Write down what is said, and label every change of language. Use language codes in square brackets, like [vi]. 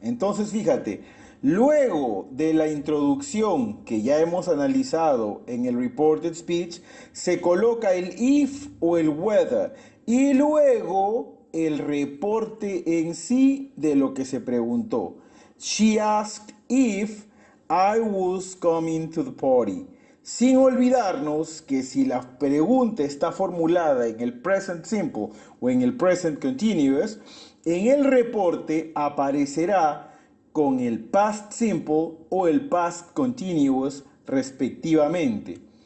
[es] Entonces, fíjate. Luego de la introducción que ya hemos analizado en el Reported Speech, se coloca el if o el whether y luego el reporte en sí de lo que se preguntó. [en] She asked if I was coming to the party. [es] Sin olvidarnos que si la pregunta está formulada en el present simple o en el present continuous, en el reporte aparecerá con el past simple o el past continuous respectivamente.